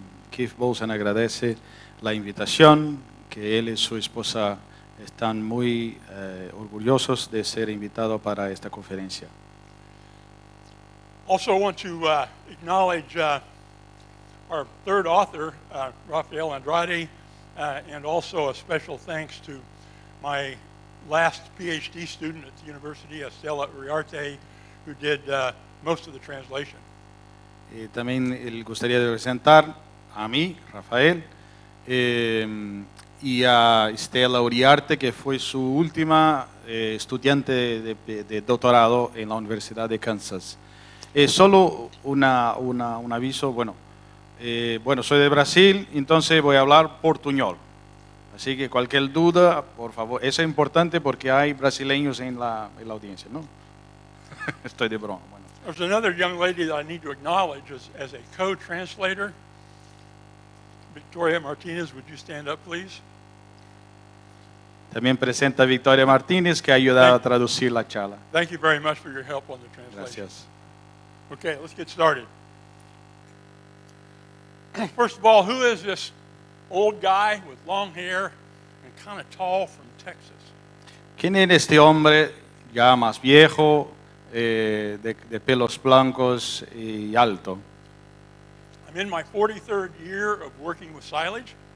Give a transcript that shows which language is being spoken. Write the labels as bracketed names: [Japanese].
[Spanish] Keith Bolsen agradece la invitación, que él y su esposa están muy orgullosos de ser invitado para esta conferencia. [English] Also want to acknowledge our third author, Rafael Andrade, and also a special thanks to my last PhD student at the university, Estela Uriarte, who did most of the translation. [Spanish] Y también le gustaría presentar a mí, Rafael, y a Estela Uriarte, que fue su última estudiante de doctorado en la Universidad de Kansas. Solo un aviso, bueno. Bueno, soy de Brasil, entonces voy a hablar portuñol. Así que cualquier duda, por favor, eso es importante porque hay brasileños en la audiencia, ¿no? Estoy de broma. Bueno. [English] There's another young lady that I need to acknowledge as a co-translator. Victoria Martinez, would you stand up, please? [Spanish] También presenta Victoria Martinez, que ha ayudado a traducir la charla. [English] Thank you very much for your help on the translation. [Spanish] Gracias. [English] Okay, let's get started. First of all, who is this old guy with long hair and kind of tall from Texas? [Spanish] ¿Quién es este hombre ya más viejo, de pelos blancos y alto? [English] I'm in my 43rd year of working with silage.